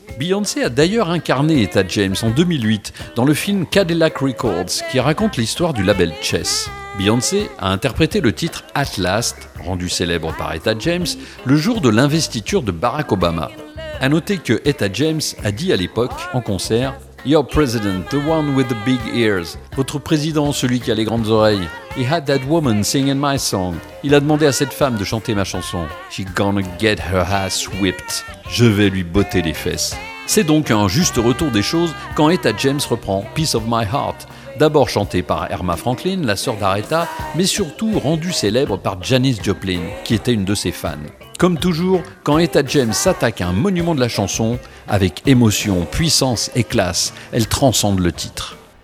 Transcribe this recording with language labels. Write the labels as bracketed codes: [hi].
[fr] Beyoncé a d'ailleurs incarné Etta James en 2008 dans le film Cadillac Records qui raconte l'histoire du label Chess. Beyoncé a interprété le titre At Last, rendu célèbre par Etta James, le jour de l'investiture de Barack Obama. A noter que Etta James a dit à l'époque, en concert, « [en] Your president, the one with the big ears. [fr] Votre président, celui qui a les grandes oreilles. [en] He had that woman singing my song. [fr] Il a demandé à cette femme de chanter ma chanson. [en] She's gonna get her ass whipped. [fr] Je vais lui botter les fesses. » C'est donc un juste retour des choses quand Etta James reprend « Piece of my heart », d'abord chantée par Erma Franklin, la sœur d'Aretha, mais surtout rendue célèbre par Janis Joplin, qui était une de ses fans. Comme toujours, quand Etta James s'attaque à un monument de la chanson, avec émotion, puissance et classe, elle transcende le titre.